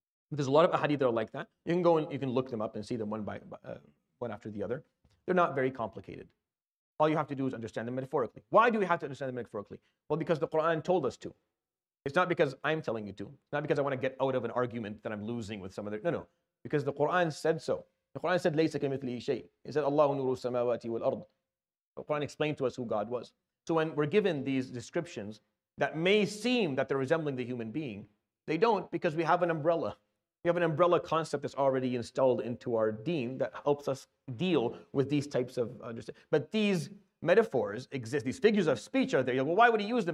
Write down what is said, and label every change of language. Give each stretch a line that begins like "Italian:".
English: There's a lot of ahadith that are like that. You can go and you can look them up and see them one by one after the other. They're not very complicated. All you have to do is understand them metaphorically. Why do we have to understand them metaphorically? Well, because the Quran told us to. It's not because I'm telling you to. It's not because I want to get out of an argument that I'm losing with some other. No. Because the Quran said so. The Quran said,
Arabic: لَيْسَ كَمِثْلِهِ شَيْءٍ.
English: It said,
Arabic: اللَّهُ نُورُ السَّمَاوَاتِ وَالْأَرْضِ.
English: The Quran explained to us who God was. So when we're given these descriptions that may seem that they're resembling the human being, they don't, because we have an umbrella. We have an umbrella concept that's already installed into our deen that helps us deal with these types of understanding. But these metaphors exist. These figures of speech are there. You're like, well, why would he use them?